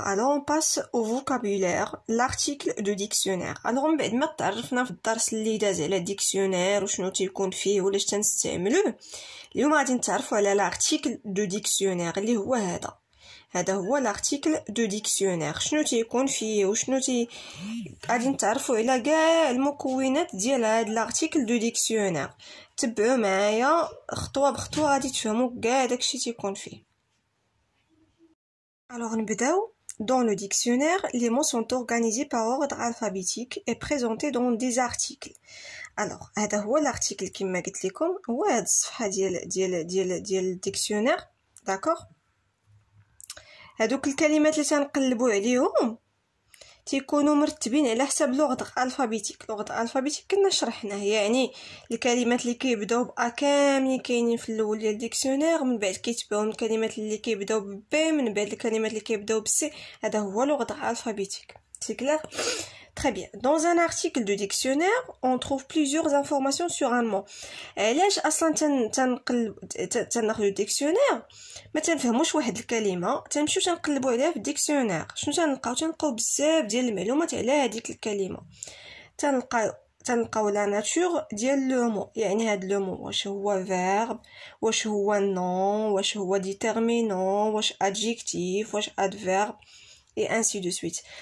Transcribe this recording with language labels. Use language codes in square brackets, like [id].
[fr] Alors, on passe au vocabulaire, l'article du dictionnaire. Alors, on va mettre ma tarte, on va faire le tarte, le dictionnaire, ou je note le confit, ou le stencil. L'article du dictionnaire, il est où est-ce? [ar] هذا هو الارتيكل دو ديكسيونير. شنو تيكون فيه وشنو تي غادي نتعرفوا على كاع المكونات ديال هذا الارتيكل دو ديكسيونير. تبعوا معايا خطوه بخطوه غادي تفهموا كاع داكشي تيكون فيه. الوغ نبداو. [fr] Dans le dictionnaire, les mots sont organisés par ordre alphabétique et présentés dans des articles. [ar] Alors, هذا هو الارتيكل كيما قلت لكم هو هاد الصفحه ديال الديكسيونير. [fr] D'accord. [ar] هذوك الكلمات اللي تنقلبوا عليهم تيكونوا مرتبين على حسب لغة الفابيتيك. لغة الفابيتيك كنا شرحناه، يعني الكلمات اللي كيبداو ب ا كاملين كاينين في الاول ديال الديكسيونير، من بعد كيتبعهم الكلمات اللي كيبداو ب ب، من بعد الكلمات اللي كيبداو ب سي. هذا هو لغة الفابيتيك. سي كلير. [fr] Très bien. Dans un article de dictionnaire, on trouve plusieurs informations sur un mot. [ar] علاش اصلا تنقلب الديكسيونير ما تنفهموش واحد الكلمه، تنمشيو تنقلبوا عليها في الديكسيونير. شنو تنلقاو؟ تنلقاو بزاف ديال المعلومات على هذيك الكلمه. تنلقاو لا ناتور ديال لو مو، يعني هاد لو مو واش هو فيرب، واش هو نون، واش هو ديتيرمينون، واش ادجيكتيف، واش ادفيرب، اي انسي دو سويت.